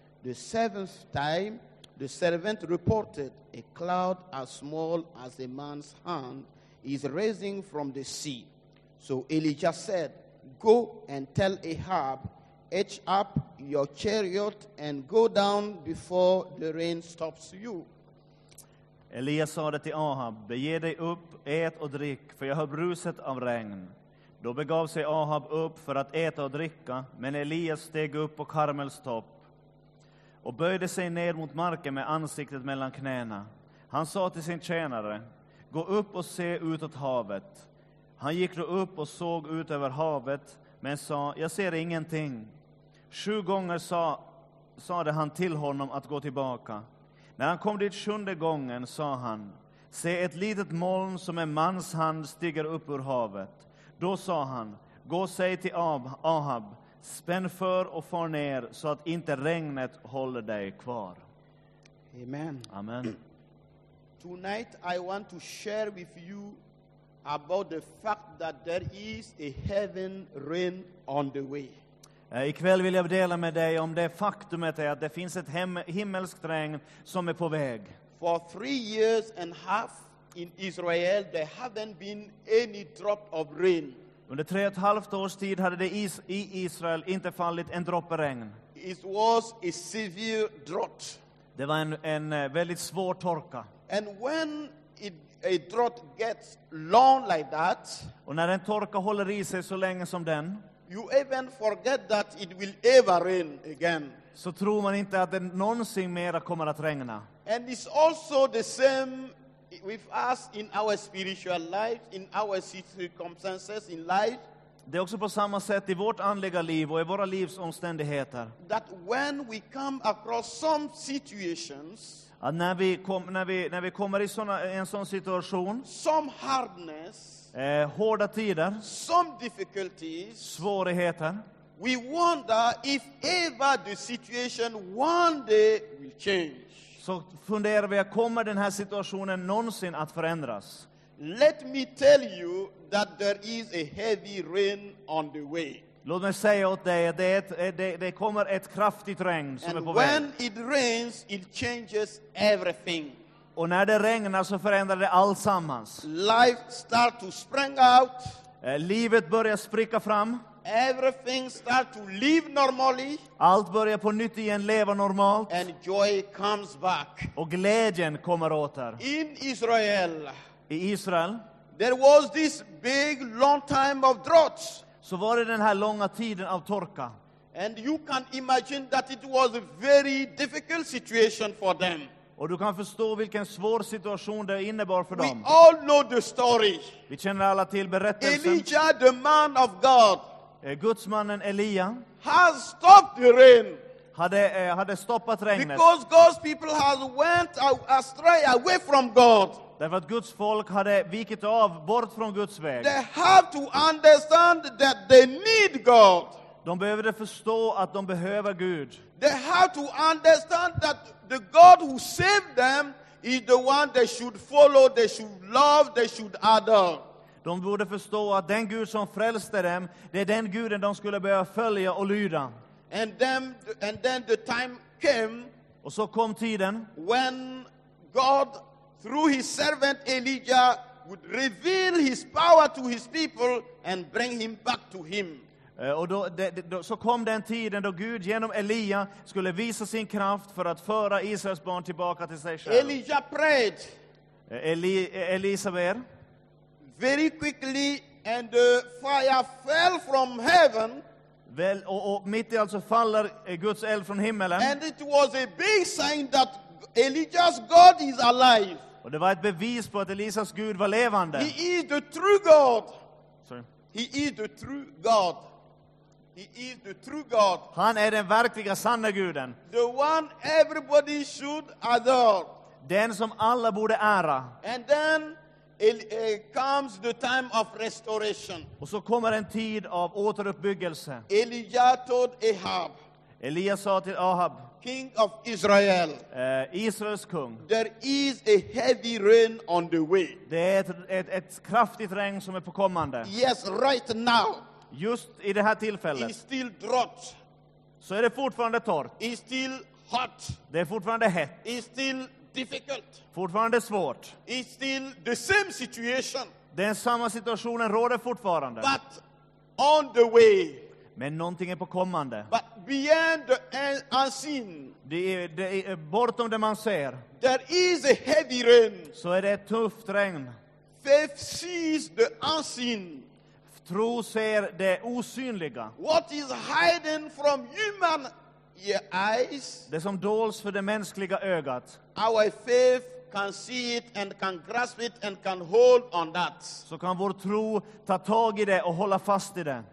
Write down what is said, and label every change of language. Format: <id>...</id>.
<en>The seventh time the servant reported, a cloud as small as a man's hand is rising from the sea. So Elijah said, go and tell Ahab, hitch up your chariot and go down before the rain stops you.</en> <sv>Elias sa det till Ahab, bege dig upp, ät och drick, för jag hör bruset av regn. Då begav sig Ahab upp för att äta och dricka, men Elias steg upp på Karmels topp och böjde sig ner mot marken med ansiktet mellan knäna. Han sa till sin tjänare, gå upp och se utåt havet. Han gick då upp och såg ut över havet, men sa, jag ser ingenting. Sju gånger sade han till honom att gå tillbaka. När han kom dit sjunde gången sa han, se ett litet moln som en mans hand stiger upp ur havet. Då sa han, gå och säg till Ahab, spänn för och far ner så att inte regnet håller dig kvar. Amen. Amen.</sv> <en>Tonight I want to share with you about the fact that there is a heaven rain on the way.</en> <sv>Ikväll vill jag dela med dig om det faktumet är att det finns ett himmelskt regn som är på väg.</sv> <en>For 3 years and a half in Israel, there haven't been any drop of rain.</en> <sv>Under 3,5 års tid hade det i Israel inte fallit en droppe regn.</sv> <en>It was a severe drought.</en> <sv>Det var en väldigt svår torka.</sv> <en>And when a drought gets long like that,</en> <sv>och när en torka håller i sig så länge som den,</sv> <en>you even forget that it will ever rain again.</en> <sv>Så tror man inte att det någonsin mer kommer att regna.</sv> <en>And it's also the same with us in our spiritual life, in our circumstances in life.</en> <sv>Det är också på samma sätt i vårt andliga liv och i våra livsomständigheter.</sv> <en>That when we come across some situations,</en> <sv>att när vi kommer i en sån situation,</sv> <en>some hardness,</en> <sv>hårda tider,</sv> <en>some difficulties,</en> <sv>svårigheter,</sv> <en>we wonder if ever the situation one day will change.</en> <sv>Så funderar vi, kommer den här situationen någonsin att förändras?</sv> <en>Let me tell you that there is a heavy rain on the way.</en> <sv>Låt mig säga åt dig att det kommer ett kraftigt regn som</sv> <en>and</en> <sv>är på väg.</sv> <en>When it rains, it changes everything.</en> <sv>Och när det regnar så förändrar det allsammans.</sv> <en>Life start to spring out.</en> <sv>Livet börjar spricka fram.</sv> <en>Everything start to live normally.</en> <sv>Allt börjar på nytt igen, leva normalt.</sv> <en>And joy comes back.</en> <sv>Och glädjen kommer åter.</sv> <en>In Israel.</en> <sv>I Israel.</sv> <en>There was this big long time of drought.</en> <sv>Så var det den här långa tiden av torka.</sv> <en>And you can imagine that it was a very difficult situation for them.</en> <sv>Och du kan förstå vilken svår situation det innebar för</sv> <en>we</en> <sv>dem.</sv> <en>We all know the story.</en> <sv>Vi känner alla till berättelsen.</sv> <en>Elijah, the man of God.</en> <sv>Gudsmannen Elia.</sv> <en>Has stopped the rain.</en> <sv>Hade stoppat regnet.</sv> <en>Because God's people has went astray away from God.</en> <sv>Därför att Guds folk hade vikit av bort från Guds väg.</sv> <en>They have to understand that they need God.</en> <sv>De behöver förstå att de behöver Gud.</sv> <en>They have to understand that the God who saved them is the one they should follow, they should love, they should adore.</en> <sv>De borde förstå att den Gud som frälste dem, det är den guden de skulle börja följa och lyda.</sv> <en>And then the time came.</en> <sv>Och så kom tiden.</sv> <en>When God through his servant Elijah would reveal his power to his people and bring him back to him.</en> <sv>Och då så kom den tiden då Gud genom Elia skulle visa sin kraft för att föra Israels barn tillbaka till sig själv.</sv> <en>Elijah prayed.</en> <sv>Elisabeth.</sv> <en>Very quickly and the fire fell from heaven.</en> <sv>Väl, och mitt i alltså faller Guds eld från himmelen.</sv> <en>And it was a big sign that Elijah's God is alive.</en> <sv>Och det var ett bevis på att Elisas Gud var levande.</sv> <en>He is the true God. Sorry. He is the true God. He is the true God.</en> <sv>Han är den verkliga sanna guden.</sv> <en>The one everybody should adore.</en> <sv>Den som alla borde ära.</sv> <en>And then comes the time of restoration.</en> <sv>Och så kommer en tid av återuppbyggelse.</sv> <en>Elijah told Ahab.</en> <sv>Elias sa till Ahab,</sv> <en>King of Israel.</en> <sv>Israels kung.</sv> <en>There is a heavy rain on the way.</en> <sv>Det är ett kraftigt regn som är på kommande.</sv> <en>Yes, right now.</en> <sv>Just i det här tillfället.</sv> <en>It's still drought.</en> <sv>Så är det fortfarande torrt.</sv> <en>It's still hot.</en> <sv>Det är fortfarande hett.</sv> <en>It's still difficult.</en> <sv>Fortfarande svårt.</sv> <en>It's still the same situation.</en> <sv>Den samma situationen råder fortfarande.</sv> <en>But on the way.</en> <sv>Men någonting är på kommande.</sv> <en>But beyond the unseen.</en> <sv>Det är bortom det man ser.</sv> <en>There is a heavy rain.</en> <sv>Så är det ett tufft regn.</sv> <en>Faith sees the unseen.</en> <sv>Tro ser det osynliga.</sv> <en>What is hidden from human eyes.</en> <sv>Det som dolts för det mänskliga ögat.</sv> <en>Our faith can see it and can grasp it and can hold on that.</en> <sv>Så kan vår tro ta tag i det och hålla fast i det.</sv>